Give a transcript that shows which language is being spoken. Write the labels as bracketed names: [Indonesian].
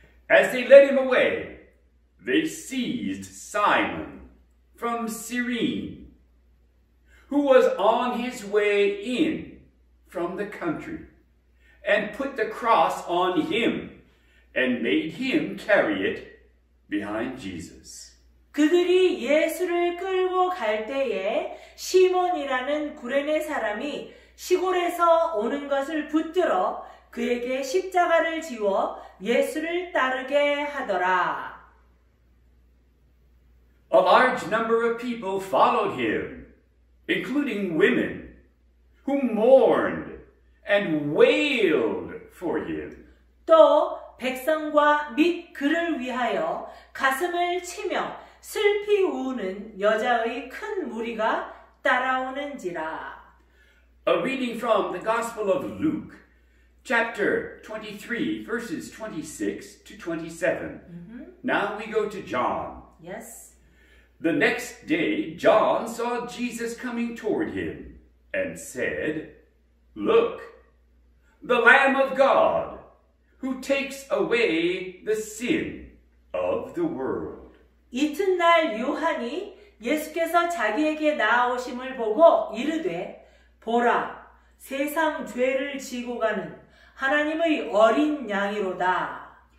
[English] As they led him away, they seized Simon from Cyrene, who was on his way in from the country, and put the cross on him, and made him carry it behind Jesus. [Korean] 그들이 예수를 끌고 갈 때에 시몬이라는 구레네 사람이 시골에서 오는 것을 붙들어 그에게 십자가를 지워 예수를 따르게 하더라. [English] A large number of people followed him, including women, who mourned and wailed for him. [Korean] 또 백성과 및 그를 위하여 가슴을 치며 슬피 우는 여자의 큰 무리가 따라오는지라. [English] A reading from the Gospel of Luke, chapter 23, verses 26 to 27. Mm-hmm. Now we go to John. Yes. The next day, John saw Jesus coming toward him and said, Look, the Lamb of God, who takes away the sin of the world. [Korean] 이튿날 요한이 예수께서 자기에게 나아오심을 보고 이르되 보라 세상 죄를 지고 가는 하나님의 어린 양이로다.